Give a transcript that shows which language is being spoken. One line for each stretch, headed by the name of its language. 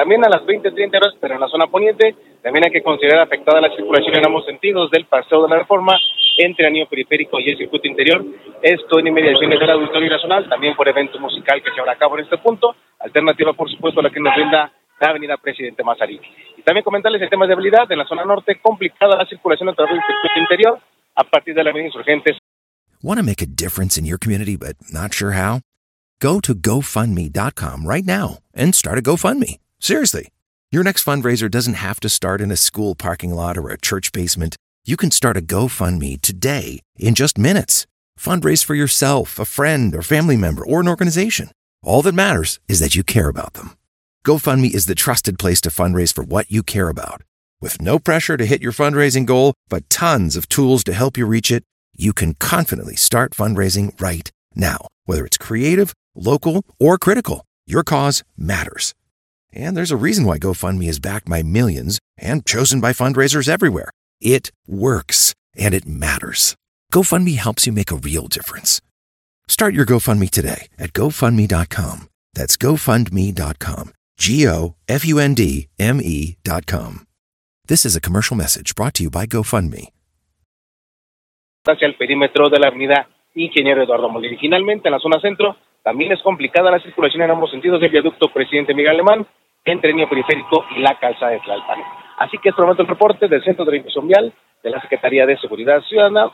Spanish: También a las 20:30 horas, pero en la zona poniente, también hay que considerar afectada la circulación en ambos sentidos del Paseo de la Reforma entre el anillo periférico y el circuito interior. Esto en inmediaciones del Auditorio Nacional, también por evento musical que se habrá a cabo en este punto. Alternativa, por supuesto, a la que nos brinda la Avenida Presidente Mazarik. Y también comentarles el tema de habilidad en la zona norte, complicada la circulación a través del circuito interior a partir de la Avenida Insurgentes.
English: Want to make a difference in your community, but not sure how? Go to GoFundMe.com right now and start a GoFundMe. Seriously, your next fundraiser doesn't have to start in a school parking lot or a church basement. You can start a GoFundMe today in just minutes. Fundraise for yourself, a friend, or family member, or an organization. All that matters is that you care about them. GoFundMe is the trusted place to fundraise for what you care about. With no pressure to hit your fundraising goal, but tons of tools to help you reach it, you can confidently start fundraising right now. Whether it's creative, local, or critical, your cause matters. And there's a reason why GoFundMe is backed by millions and chosen by fundraisers everywhere. It works, and it matters. GoFundMe helps you make a real difference. Start your GoFundMe today at GoFundMe.com. That's GoFundMe.com. GoFundMe.com. This is a commercial message brought to you by GoFundMe.
Spanish: Hacia el perímetro de la avenida Ingeniero Eduardo Molina. Finalmente, en la zona centro, también es complicada la circulación en ambos sentidos del viaducto Presidente Miguel Alemán, entre el periférico y la calzada de Tlalpan. Así que es momento el reporte del Centro de Revisión Vial de la Secretaría de Seguridad Ciudadana.